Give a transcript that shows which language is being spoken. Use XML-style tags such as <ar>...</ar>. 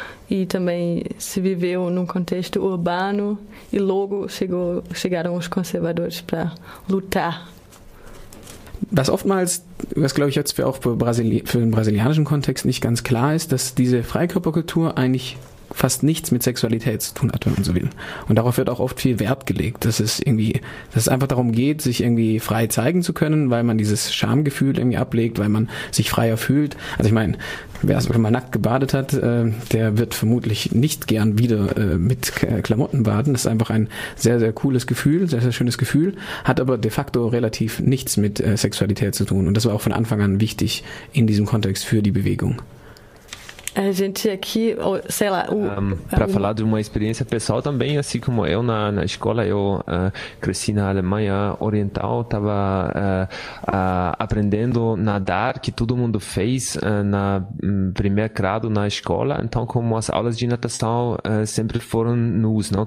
<pt>E também se viveu num contexto urbano e logo chegaram os conservadores para lutar.</pt> <de>Was oftmals, was glaube ich jetzt auch für den brasilianischen Kontext nicht ganz klar ist, dass diese Freikörperkultur eigentlich fast nichts mit Sexualität zu tun hat, wenn man so will. Und darauf wird auch oft viel Wert gelegt, dass es einfach darum geht, sich irgendwie frei zeigen zu können, weil man dieses Schamgefühl irgendwie ablegt, weil man sich freier fühlt. Also ich meine, wer es mal nackt gebadet hat, der wird vermutlich nicht gern wieder mit Klamotten baden. Das ist einfach ein sehr, sehr cooles Gefühl, sehr, sehr schönes Gefühl, hat aber de facto relativ nichts mit Sexualität zu tun. Und das war auch von Anfang an wichtig in diesem Kontext für die Bewegung.</de> <pt>A gente aqui, sei lá... Para falar de uma experiência pessoal também, assim como eu na escola, eu cresci na Alemanha Oriental, estava aprendendo a nadar, que todo mundo fez na primeiro grado na escola, então como as aulas de natação sempre foram nus, não?</pt>